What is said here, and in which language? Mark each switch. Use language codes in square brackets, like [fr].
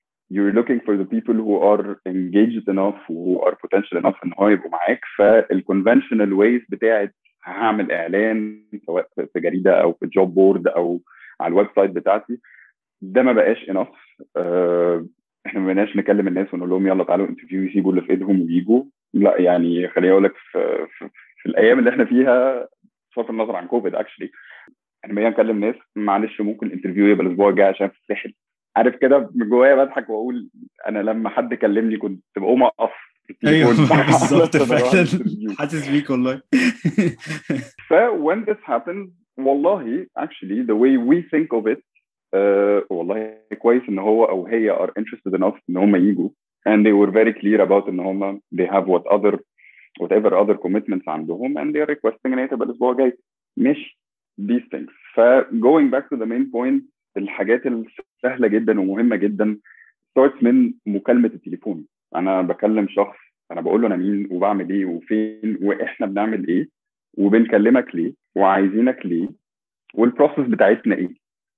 [en] You're looking for the people who are engaged enough, who are potential enough [ar] إن هو يبقوا معاك. فال [en] conventional ways [ar] بتاعت هعمل إعلان سواء في جريدة أو في [en] job board [ar] أو على الويب سايت بتاعتي ده ما بقاش [en] enough. [ar] إحنا ما بقناش نكلم الناس ونقول لهم يلا تعالوا انترفيو, يسيبوا اللي في إيدهم ويجوا. لا يعني خليني اقول لك في الايام اللي احنا فيها بصرف النظر عن كوفيد, اكشلي احنا بنيجي نكلم ناس معلش ممكن الانترفيو يبقى الاسبوع الجاي عشان في الساحل. عارف كده من جوايا بضحك واقول انا لما حد كلمني كنت بقوم اقف. ايوه بالظبط, فعلا حاسس بيك والله. [en] ف when this happens, والله actually the way we think of it, [ar] والله كويس ان هو او هي [en] are interested enough [ar] ان هم يجوا. [en] And they were very clear about [ar] إن هما [en] they have whatever other commitments [ar] عندهم, [en] and they are requesting an interview. But guys, [ar] مش [en] these things. So going back to the main point, [ar] الحاجات السهلة جدا ومهمة جدا [en] starts [ar] من مكالمة التليفون. أنا بكلم شخص, أنا بقول له أنا مين وبعمل إيه وفين وإحنا بنعمل إيه وبنكلمك ليه وعايزينك ليه والبروسس بتاعتنا إيه.